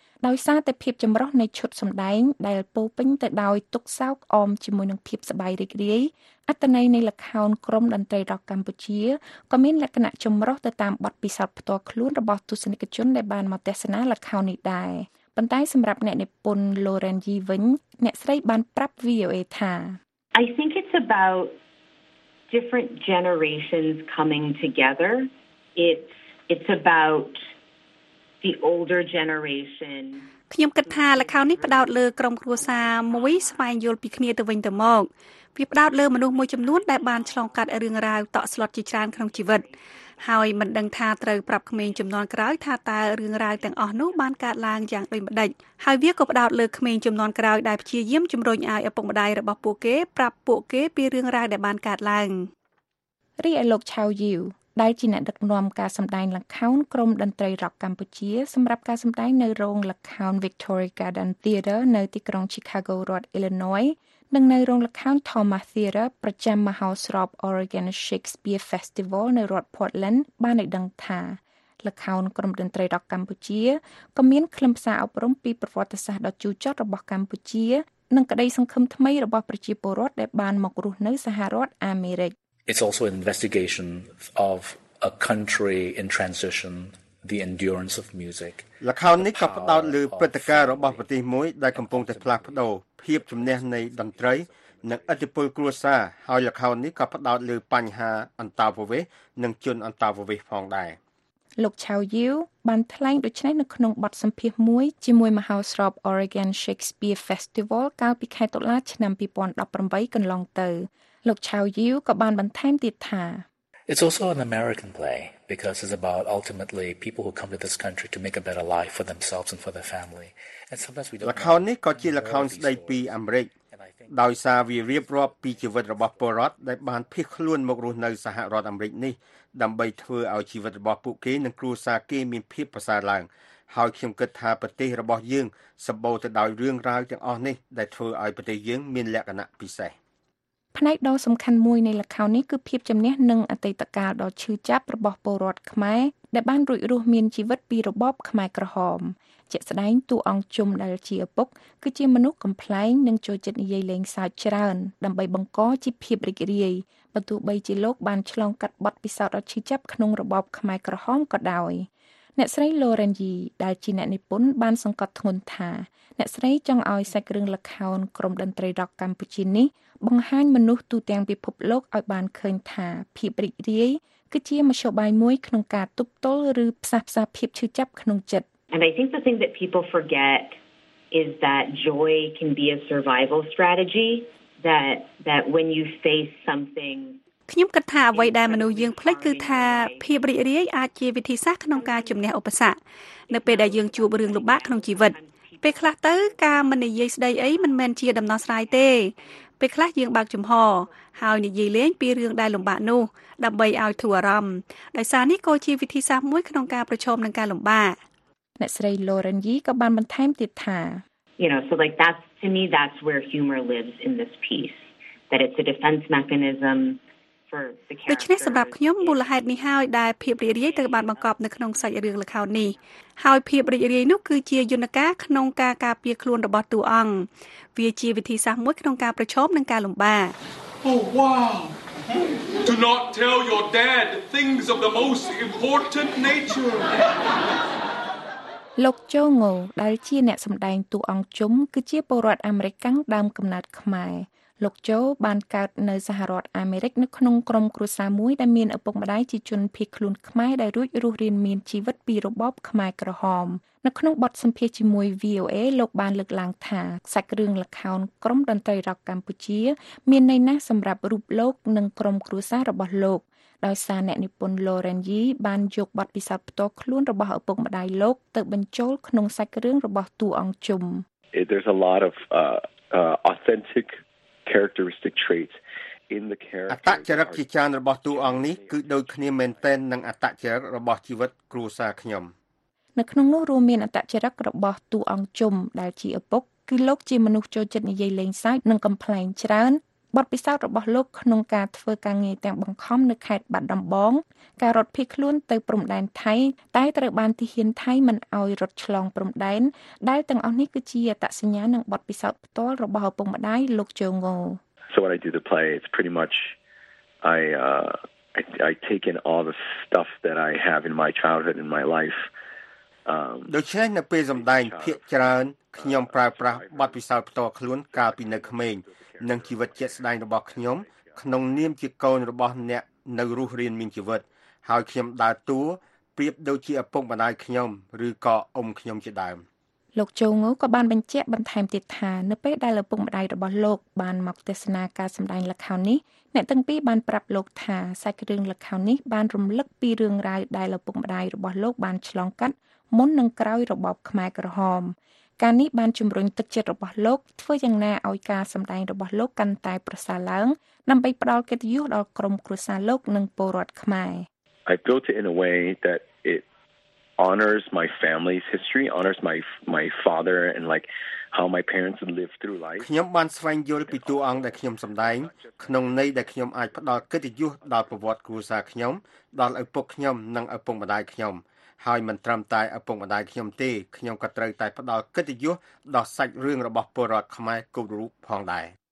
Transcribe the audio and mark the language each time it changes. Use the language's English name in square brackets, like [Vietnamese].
[Khmer] ដោយសារតែភាពចម្រុះនៃឈុតសម្ដែងដែលពោពេញទៅដោយទុក្ខសោកអមជាមួយនឹងភាពសប្បាយរីករាយអត្តន័យនៃល្ខោនក្រុមតន្ត្រីរ៉ុកកម្ពុជាក៏មានលក្ខណៈចម្រុះទៅតាមបទពិសោធន៍ផ្ទាល់ខ្លួនរបស់ទស្សនិកជនដែលបានមកទស្សនាល្ខោននេះដែរប៉ុន្តែសម្រាប់អ្នកនិពន្ធ Lauren Yee វិញអ្នកស្រីបានប្រាប់ VOA ថា [English] I think it's about different generations coming together it's aboutthe older generation [Khmer] ខ្ញុំគិតថាល្ខោននេះផ្ដោតលើក្រុមគ្រួសារមួយស្វែងយល់ពីគ្នាទៅវិញទៅមកវាផ្ដោតលើមនុស្សមួយចំនួនដែលបានឆ្លងកាត់រឿងរ៉ាវតក់ស្លុតជាច្រើនក្នុងជីវិតហើយមិនដឹងថាត្រូវប្រាប់ក្មេងជំនាន់ក្រោយថាតើរឿងរ៉ាវទាំងអស់នោះបានកើតឡើងយ៉ាងដូចម្ដេចហើយវាក៏ផ្ដោតលើក្មេងជំនាន់ក្រោយដែលព្យាយាមជំរុញឲ្យឪពុកម្ដាយរបស់ពួកគេប្រាប់ពួកគេពីរឿងរ៉ាវដែលបានកើតឡើង រីឯលោកឆៅយូដែលជាអ្នកដឹកនាំការសម្ដែងល្ខោនក្រុមតន្ត្រីរ៉ុកកម្ពុជាសម្រាប់ការសម្ដែងនៅរោងល្ខោន Victoria Garden Theater នៅទីក្រុង Chicago រដ្ឋ Illinois និងនៅរោងល្ខោន Thomas Theater ប្រចាំមហោស្រព Oregon Shakespeare Festival នៅរដ្ឋ Portland បានឲ្យដឹងថាល្ខោនក្រុមតន្ត្រីរ៉ុកកម្ពុជាក៏មានខ្លឹមសារអប់រំពីប្រវត្តិសាស្ត្រដ៏ជូរចត់របស់កម្ពុជានិងក្តីសង្ឃឹមថ្មីរបស់ប្រជាពលរដ្ឋដែលបានមករស់នៅសហរដ្ឋអាមេរិក [English] It's also an investigation of a country in transition, the endurance of music. [Khmer] លក្ខោននេះក៏ផ្ដោតលើព្រឹត្តិការណ៍របស់ប្រទេសមួយដែលកំពុងតែផ្លាស់ប្ដូរភាពជំនះនៃតន្ត្រីនិងឥទ្ធិពលគ្រួសារហើយលក្ខោននេះក៏ផ្ដោតលើបញ្ហាអន្តរប្រវេសន៍និងជនអន្តរប្រវេសន៍ផងដែរ លោកឆៅយូបានថ្លែងដូចនេះនៅក្នុងបទសម្ភាសន៍មួយជាមួយមហោស្រព Oregon Shakespeare Festival កាលពីខែតុលាឆ្នាំ2018កន្លងទៅលោកឆៅយូក៏បានបន្ថែមទៀតថា [English] It's also an American play because it's about ultimately people who come to this country to make a better life for themselves and for their family. And sometimes we don't [Khmer] ល្ខោននេះក៏ជាល្ខោនស្ដីពីអាមេរិកដោយសារវារៀបរាប់ពីជីវិតរបស់ពលរដ្ឋដែលបានភៀសខ្លួនមករស់នៅសហរដ្ឋអាមេរិកនេះដើម្បីធ្វើឲ្យជីវិតរបស់ពួកគេនិងគ្រួសារគេមានភាពប្រសើរឡើងហើយខ្ញុំគិតថាប្រទេសរបស់យើងសម្បូរទៅដោយរឿងរ៉ាវទាំងអស់នេះដែលធ្វើឲ្យប្រទេសយើងមានលក្ខណៈពិសេស ផ្នែកដ៏សំខាន់មួយនៃល្ខោននេះគឺភាពជំនះនឹងអតីតកាលដ៏ឈឺចាប់របស់ពលរដ្ឋខ្មែរដែលបានរួចរស់មានជីវិតពីរបបខ្មែរក្រហមជាក់ស្ដែងតួអង្គជុំដែលជាឪពុកគឺជាមនុស្សកំ pl ែងនិងចូលចិត្តនិយាយលេងសើចច្រើនដើម្បីបង្កជីវភាពរីករាយបើទោះបីជាលោកបានឆ្លងកាត់បទពិសោធន៍ដ៏ឈឺចាប់ក្នុងរបបខ្មែរក្រហមក៏ដោយ អ្នកស្រី Lauren Yee ដែលជាអ្នកនិពន្ធបានសង្កត់ធ្ងន់ថាអ្នកស្រីចង់ឲ្យសាច់រឿងល្ខោនក្រុមតន្ត្រីរ៉ុកកម្ពុជានេះបង្ហាញមនុស្សទូទាំងពិភពលោកឲ្យបានឃើញថាភាពរីករាយ គឺជាមធ្យោបាយមួយក្នុងការទប់ទល់ឬផ្សះផ្សាភាពឈឺចាប់ក្នុងចិត្ត [English] And I think the thing that people forget is that joy can be a survival strategy that when you face something [Khmer] ខ្ញុំគិតថាអ្វីដែលមនុស្សយើងភ្លេចគឺថាភាពរីករាយអាចជាវិធីសាស្ត្រក្នុងការជំនះឧបសគ្គនៅពេលដែលយើងជួបរឿងលំបាកក្នុងជីវិតពេលខ្លះទៅការមិននិយាយស្ដីអីមិនមែនជាដំណោះស្រាយទេពេលខ្លះយើងបើកចំហហើយនិយាយលេងពីរឿងដែលលំបាកនោះដើម្បីឲ្យធូរអារម្មណ៍ដោយសារនេះក៏ជាវិធីសាស្ត្រមួយក្នុងការប្រឈមនឹងការលំបាក អ្នកស្រី Lauren Yee ក៏បានបន្ថែមទៀតថា [English] You know so like that's to me that's where humor lives in this piece that it's a defense mechanism for the character [Khmer] ដូច្នេះសម្រាប់ខ្ញុំមូលហេតុនេះហើយដែលភាពរីករាយត្រូវបានបង្កប់នៅក្នុងសាច់រឿងល្ខោននេះហើយភាពរីករាយនោះគឺជាយន្តការក្នុងការការពារខ្លួនរបស់តួអង្គវាជាវិធីសាស្ត្រមួយក្នុងការប្រឈមនឹងការលំបាក [English] Oh wow Do not tell your dad things of the most important nature [Khmer] លោកចូងូដែលជាអ្នកសម្ដែងតួអង្គជុំគឺជាពលរដ្ឋអាមេរិកដើមកំណើតខ្មែរលោកចូបានកើតនៅសហរដ្ឋអាមេរិកនៅក្នុងក្រុមគ្រួសារមួយដែលមានឪពុកម្ដាយជាជនភៀសខ្លួនខ្មែរដែលរួចរស់រៀនមានជីវិតពីរបបខ្មែរក្រហមនៅក្នុងបទសម្ភាសន៍ជាមួយ VOA លោកបានលើកឡើងថាសាច់រឿងល្ខោនក្រមតន្ត្រីរ៉ុកកម្ពុជា មានន័យណាស់សម្រាប់រូបលោកនិងក្រុមគ្រួសាររបស់លោកដោយសារអ្នកនិពន្ធ Lauren Yee បានយកបទពិសោធន៍ផ្ទាល់ខ្លួនរបស់ឪពុកម្ដាយលោកទៅបញ្ចូលក្នុងសាច់រឿងរបស់តួអង្គជុំ [English] There's a lot of authentic characteristic traits in the character [Khmer] អត្តចរិតជាចានរបស់តួអង្គនេះគឺដូចគ្នាមែនទែននឹងអត្តចរិតរបស់ជីវិតគ្រួសារខ្ញុំ នៅក្នុងនោះរួមមានអត្តចរិតរបស់តួអង្គជុំដែលជាឪពុកគឺលោកជាមនុស្សចូលចិត្តនិយាយលេងសើចនិងកំប្លែងច្រើនបទពិសោធន៍របស់លោកក្នុងការធ្វើការងារទាំងបង្ខំនៅខេត្តបាត់ដំបងការរត់ភៀសខ្លួនទៅព្រំដែនថៃតែត្រូវបានទាហានថៃមិនអោយរត់ឆ្លងព្រំដែនដែលទាំងអស់នេះគឺជាអត្តសញ្ញាណនិងបទពិសោធន៍ផ្ទាល់របស់ឪពុកម្ដាយលោកជើងងោ [English] So when I do the play it's pretty much I take in all the stuff that I have in my childhood and my life [Khmer] ដូច្នេះនៅពេលសម្ដែងភាគច្រើនខ្ញុំប្រើប្រាស់បទពិសោធន៍ផ្ទាល់ខ្លួនកាលពីនៅក្មេងនឹងជីវិតជាក់ស្ដែងរបស់ខ្ញុំក្នុងនាមជាកូនរបស់អ្នកនៅរស់រានមានជីវិតហើយខ្ញុំដើរតួប្រៀបដូចជាឪពុកម្ដាយខ្ញុំឬក៏អ៊ំខ្ញុំជាដើម លោកចូងូក៏បានបញ្ជាក់បន្ថែមទៀតថានៅពេលដែលឪពុកម្ដាយរបស់លោកបានមកទស្សនាការសម្ដែងល្ខោននេះអ្នកទាំងពីរបានប្រាប់លោកថាសាច់រឿងល្ខោននេះបានរំលឹកពីរឿងរ៉ាវដែលឪពុកម្ដាយរបស់លោកបានឆ្លងកាត់មុននិងក្រោយរបបខ្មែរក្រហមការនេះបានជំរុញទឹកចិត្តរបស់លោកធ្វើយ៉ាងណាឲ្យការសម្ដែងរបស់លោកកាន់តែប្រសើរឡើងដើម្បីផ្ដល់កិត្តិយសដល់ក្រុមគ្រួសារលោកនិងពលរដ្ឋខ្មែរ [English] I feel to in a way that it honors my family's history honors my father and like how my parents lived through life [Khmer] ខ្ញុំបានស្វែងយល់ពីតួអង្គដែលខ្ញុំសម្ដែងក្នុងន័យដែលខ្ញុំអាចផ្ដល់កិត្តិយសដល់ប្រវត្តិគ្រួសារខ្ញុំដល់ឪពុកខ្ញុំនិងឪពុកម្ដាយខ្ញុំហើយមិនត្រឹមតែឪពុកម្ដាយខ្ញុំទេខ្ញុំក៏ត្រូវតែផ្ដល់កិត្តិយសដល់សាច់រឿងរបស់ពលរដ្ឋខ្មែរគ្រប់រូបផងដែរ